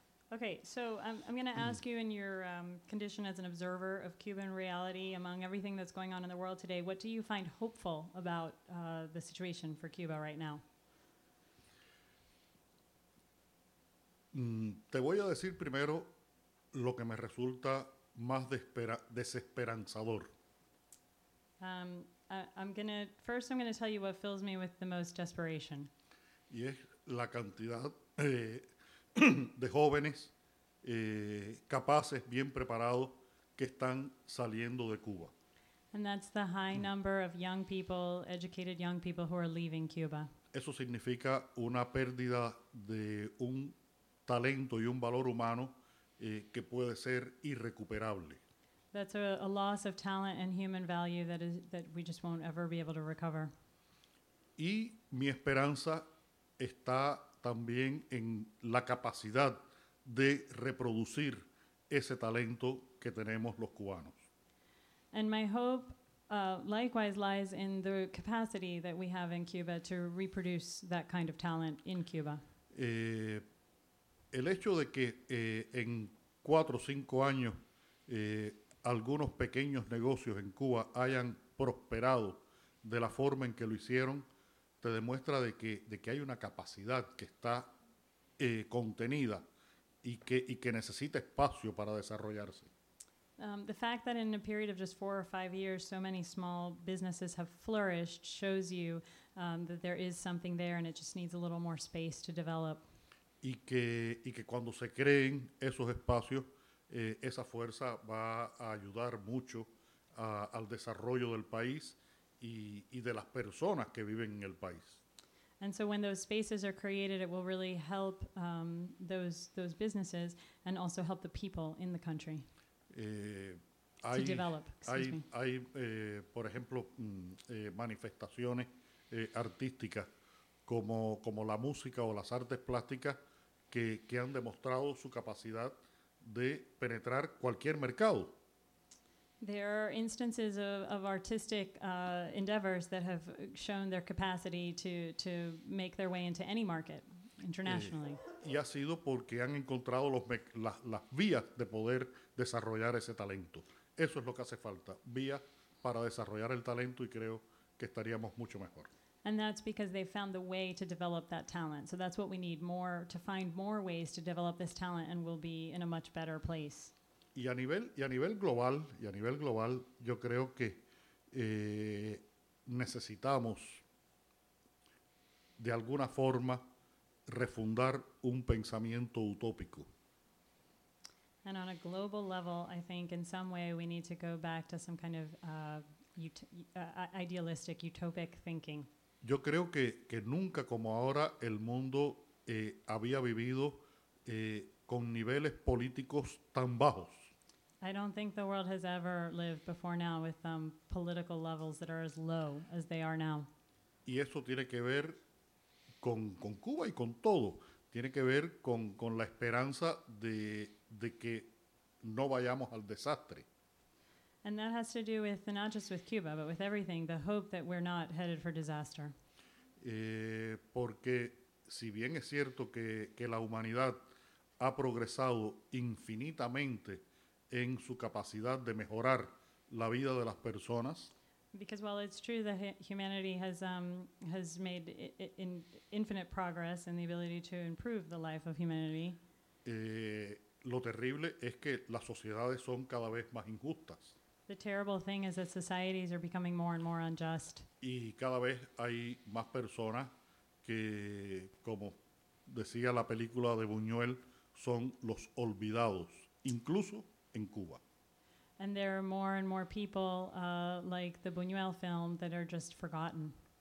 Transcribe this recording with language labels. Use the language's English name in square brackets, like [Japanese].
[English] Okay, so I'm going to ask you in your condition as an observer of Cuban reality, among everything that's going on in the world today, what do you find hopeful about the situation for Cuba right now? [Spanish] Te voy a decir primero lo que me resulta más desesperanzador. [English] I'm going to tell you what fills me with the most desperation. [Spanish] Y es la cantidad de jóvenes capaces, bien preparados, que están saliendo de Cuba. [English] And that's the high number of young people, educated young people who are leaving Cuba. [Spanish] Eso significa una pérdida de un talento y un valor humano que puede ser irrecuperable. [English] That's a loss of talent and human value that we just won't ever be able to recover. [Spanish] Y mi esperanza está también en la capacidad de reproducir ese talento que tenemos los cubanos. [English] And my hope likewise lies in the capacity that we have in Cuba to reproduce that kind of talent in Cuba. [Spanish] El hecho de que en 4 o 5 años algunos pequeños negocios en Cuba hayan prosperado de la forma en que lo hicieron te demuestra de que hay una capacidad que está contenida y que necesita espacio para desarrollarse. [English] The fact that in a period of just 4 or 5 years so many small businesses have flourished shows you that there is something there and it just needs a little more space to develop. [Spanish] Y que cuando se creen esos espacios, esa fuerza va a ayudar mucho al desarrollo del país y de las personas que viven en el país. [English] And so when those spaces are created, it will really help those businesses and also help the people in the country to develop. [Spanish] Hay, por ejemplo, manifestaciones artísticas como la música o las artes plásticas que han demostrado su capacidad de penetrar cualquier mercado. [English] There are instances of artistic endeavors that have shown their capacity to make their way into any market internationally. [Spanish] Y ha sido porque han encontrado las vías de poder desarrollar ese talento. Eso es lo que hace falta, vías para desarrollar el talento y creo que estaríamos mucho mejor. [English] And that's because they found the way to develop that talent. So that's what we need more, to find more ways to develop this talent and we'll be in a much better place. [Spanish] Y a nivel global, yo creo que necesitamos de alguna forma refundar un pensamiento utópico. [English] And on a global level, I think in some way we need to go back to some kind of idealistic, utopic thinking. [Spanish] Yo creo que nunca como ahora el mundo había vivido con niveles políticos tan bajos. [English] I don't think the world has ever lived before now with political levels that are as low as they are now. [Spanish] Y eso tiene que ver con Cuba y con todo. Tiene que ver con la esperanza de que no vayamos al desastre. [English] And that has to do with not just with Cuba, but with everything, the hope that we're not headed for disaster. [Spanish] Porque si bien es cierto que la humanidad ha progresado infinitamente en su capacidad de mejorar la vida de las personas, [English] because while it's true that humanity has made infinite progress in the ability to improve the life of humanity, [Spanish] lo terrible es que las sociedades son cada vez más injustas. [English] The terrible thing is that societies are becoming more and more unjust. [Spanish] Y cada vez hay más personas que, como decía la película de Buñuel, son los olvidados, incluso en Cuba. [English] And there are more and more people, like the Buñuel film, that are just forgotten,